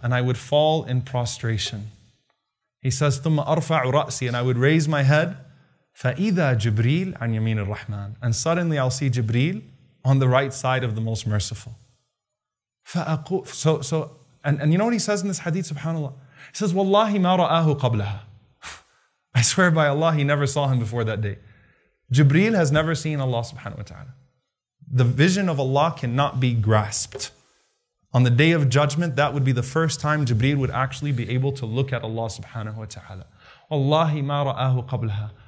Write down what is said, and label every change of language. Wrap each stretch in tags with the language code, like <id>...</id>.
<en>And I would fall in prostration. He says,</en> <ar>ثُمَّ أَرْفَعُ رَأْسِي.</ar> <en>And I would raise my head,</en> <ar>فَإِذَا جِبْرِيلْ عَنْ يَمِينِ الرَّحْمَنِ.</ar> <en>And suddenly I'll see Jibreel on the right side of the Most Merciful. So, and you know what he says in this hadith, subhanAllah? He says,</en> <ar>وَاللَّهِ مَا رَآهُ قَبْلَهَا.</ar> <en>I swear by Allah, he never saw him before that day. Jibreel has never seen Allah subhanahu wa ta'ala. The vision of Allah cannot be grasped. On the day of judgment, that would be the first time Jibreel would actually be able to look at Allah subhanahu wa ta'ala.</en> <ar>وَاللَّهِ مَا رَآهُ قَبْلَهَا.</ar>